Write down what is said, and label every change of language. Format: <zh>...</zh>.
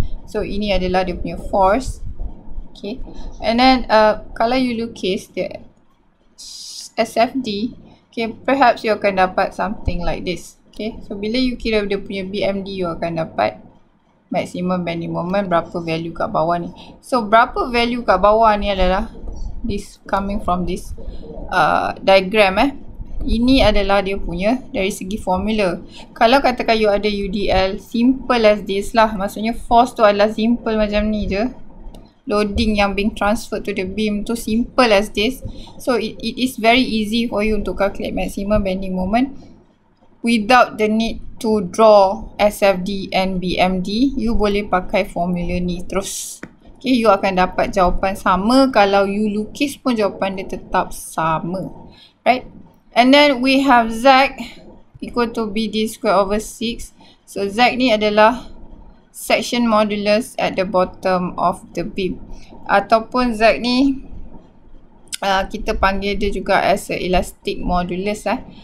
<ms>So ini adalah dia punya force, okay.</ms> <en>And then</en> <ms>kalau</ms> <en>you</en> <ms>lukis</ms> <en>the SFD, okay, perhaps you</en> <ms>akan dapat</ms> <en>something like this, okay.</en> <ms>So bila you kira dia punya BMD, you akan dapat maximum bending moment, berapa value kat bawah ni.</ms> <en>So</en> <ms>berapa</ms> <en>value</en> <ms>kat bawah ni adalah</ms> <en>this coming from this diagram eh.</en> <ms>Ini adalah dia punya dari segi formula. Kalau katakan you ada UDL,</ms> <en>simple as this</en> <ms>lah. Maksudnya force tu adalah simple macam ni je.</ms> <en>Loading</en> <ms>yang</ms> <en>being transferred to the beam</en> <ms>tu</ms> <en>simple as this. So it is very easy for you to calculate maximum bending moment without the need to draw SFD and BMD.</en> <ms>You boleh pakai formula ni terus. Okay, you akan dapat jawapan sama. Kalau you lukis pun jawapan dia tetap sama. Right?</ms> <en>And then we have Z equal to BD square over 6. So Z</en> <ms>ni adalah</ms> <en>section modulus at the bottom of the beam.</en> <ms>Ataupun Z ni kita panggil dia juga</ms> <en>as a elastic modulus</en> <ms>eh.</ms>